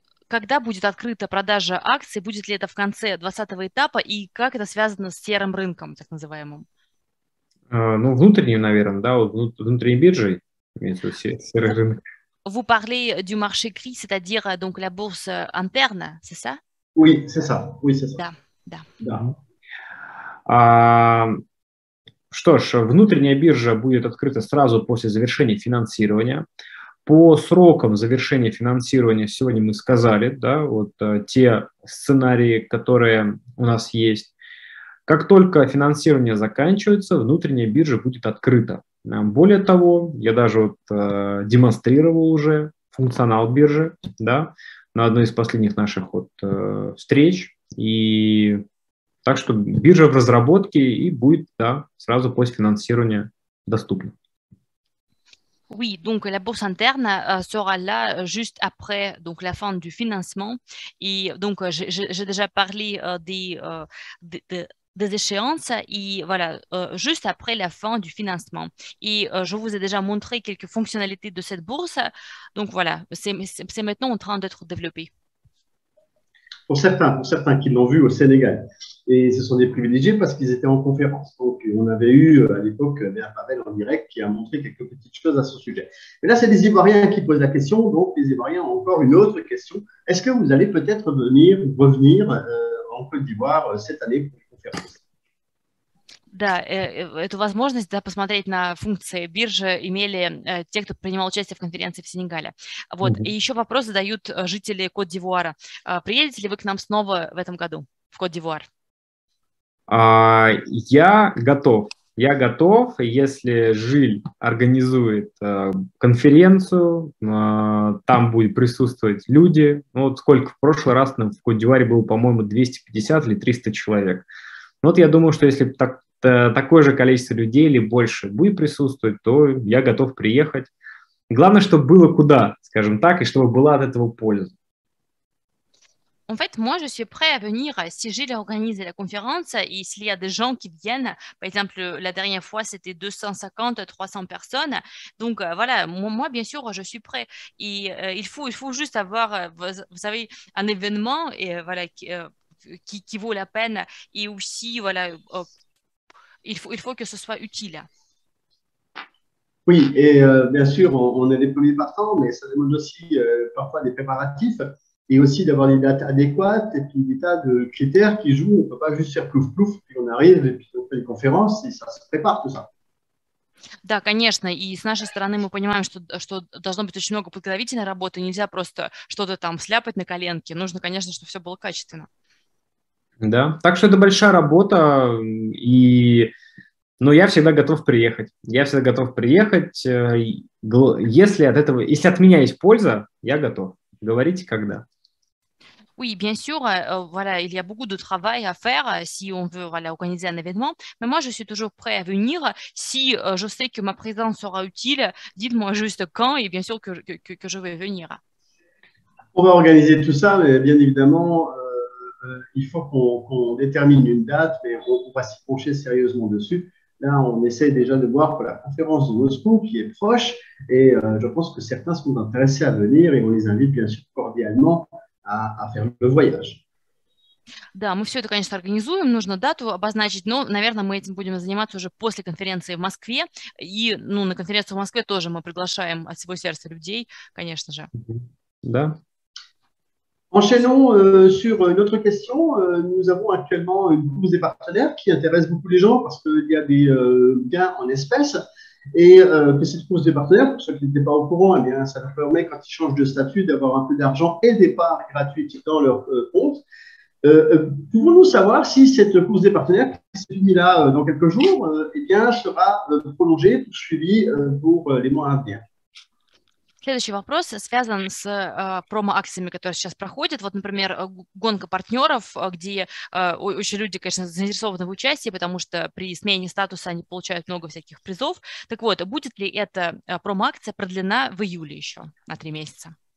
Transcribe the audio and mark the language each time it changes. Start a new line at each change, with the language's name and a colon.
Russian: Когда будет открыта продажа акций, будет ли это в конце 20-го этапа, и как это связано с серым рынком, так называемым? Ну, внутренним, наверное, да, внутренней биржей, имеется в виду серый рынок.
French: Vous parlez du marché gris, c'est-à-dire donc la bourse interne, c'est ça? Oui, c'est ça, oui, c'est ça.
Russian: Да, да. Да. Что ж, внутренняя биржа будет открыта сразу после завершения финансирования. По срокам завершения финансирования сегодня мы сказали, да, вот те сценарии, которые у нас есть. Как только финансирование заканчивается, внутренняя биржа будет открыта. Более того, я даже вот демонстрировал уже функционал биржи, да, на одной из последних наших вот встреч. И так что биржа в разработке и будет, да, сразу после финансирования доступна.
French: Oui, donc la bourse interne sera là juste après donc la fin du financement. Et donc j'ai déjà parlé des échéances et voilà juste après la fin du financement. Et je vous ai déjà montré quelques fonctionnalités de cette bourse. Donc voilà, c'est maintenant en train d'être développé. Pour certains qui l'ont vu au Sénégal. Et ce sont des privilégiés parce qu'ils étaient en conférence. Donc, on avait eu à l'époque Léa Pavel en direct qui a montré quelques petites choses à ce sujet. Mais là, c'est les Ivoiriens qui posent la question. Donc, les Ivoiriens ont encore une autre question. Est-ce que vous allez peut-être venir ou revenir en Côte d'Ivoire cette année pour une conférence?
Russian: Да, эту возможность, да, посмотреть на функции биржи имели те, кто принимал участие в конференции в Сенегале. Вот. И еще вопрос задают жители Кот-д'Ивуара. Приедете ли вы к нам снова в этом году в Кот-д'Ивуар? Я готов. Я готов, если Жиль организует конференцию, там будут присутствовать люди. Ну, вот сколько в прошлый раз в Кот-д'Ивуаре было, по-моему, 250 или 300 человек. Ну, вот я думаю, что если так такое же количество людей или больше будет присутствовать, то я готов приехать. Главное, чтобы было куда, скажем так, и чтобы была от этого польза.
French: En fait, moi, je suis prêt à venir si Gilles organise la conférence et s'il y a des gens qui viennent. Par exemple, la dernière fois, c'était 250-300 personnes. Donc, voilà, moi, bien sûr, je suis prêt. Et il faut juste avoir, vous savez, un événement et, voilà, qui vaut la peine et aussi, voilà, Il faut que ce soit utile. Oui, et bien sûr, on est les premiers partants, mais ça demande aussi parfois des préparatifs et aussi d'avoir les dates adéquates et puis des tas de critères qui jouent. On ne peut pas juste faire plouf-plouf, puis on arrive et puis on fait une conférence et ça se prépare tout ça.
Russian: Да, конечно, и с нашей стороны мы понимаем, что должно быть очень много подготовительной работы, нельзя просто что-то там сляпать на коленке, нужно, конечно, чтобы все было качественно. Да, так что это большая работа, но я всегда готов приехать. Я всегда готов приехать, если от этого, если от меня есть польза, я готов. Говорите, когда.
French: Oui, bien sûr, voilà, il y a beaucoup de travail à faire si on veut, voilà, organiser un événement. Mais moi, je suis toujours prêt à venir si je sais que ma présence sera utile. Dites-moi juste quand et bien sûr que je vais venir. On va organiser tout ça, mais bien évidemment. Il faut qu'on détermine une date, mais on va s'y pencher sérieusement dessus. Là, on essaie déjà de voir pour la conférence de Moscou qui est proche, et je pense que certains sont intéressés à venir, et on les invite bien sûr cordialement à faire le voyage.
Russian: Да, мы все это, конечно, организуем, нужно дату обозначить, но, наверное, мы этим будем заниматься уже после конференции в Москве, и ну, на конференцию в Москве тоже мы приглашаем от всего сердца людей, конечно же. Да.
French: Enchaînons sur une autre question. Nous avons actuellement une bourse des partenaires qui intéresse beaucoup les gens parce qu'il y a des gains en espèces. Et que cette bourse des partenaires, pour ceux qui n'étaient pas au courant, eh bien, ça leur permet quand ils changent de statut d'avoir un peu d'argent et des parts gratuites dans leur compte. Pouvons-nous savoir si cette bourse des partenaires qui s'est finie là dans quelques jours eh bien, sera prolongée, poursuivie pour les mois à venir?
Russian: Следующий вопрос связан с промо-акциями, которые сейчас проходят. Вот, например, гонка партнеров, где очень люди, конечно, заинтересованы в участии, потому что при смене статуса они получают много всяких призов. Так вот, будет ли эта промо-акция продлена в июле еще на 3 месяца?